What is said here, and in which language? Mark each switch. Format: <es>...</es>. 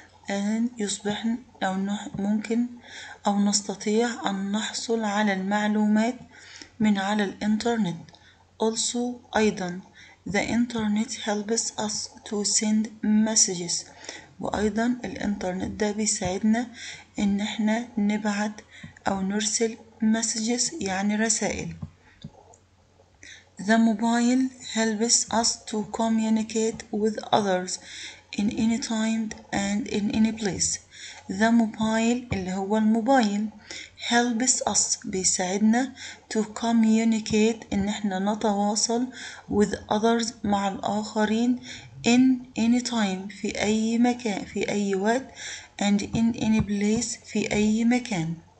<ar>أن يصبح أو ممكن أو نستطيع أن نحصل على المعلومات من على الإنترنت.</ar> <en>Also</en> <ar>أيضا</ar> <en>the internet helps us to send messages.</en> <ar>وأيضا الإنترنت ده بيساعدنا إن إحنا نبعت أو نرسل messages، يعني رسائل.</ar> <en>The mobile helps us to communicate with others in any time and in any place. The mobile،</en> <ar>اللي هو الموبايل،</ar> <en>helps us،</en> <ar>بيساعدنا،</ar> <en>to communicate،</en> <ar>إن إحنا نتواصل،</ar> <en>with others،</en> <ar>مع الآخرين،</ar> <en>in any time،</en> <ar>في أي مكان، في أي وقت،</ar> <en>and in any place،</en> <ar>في أي مكان.</ar>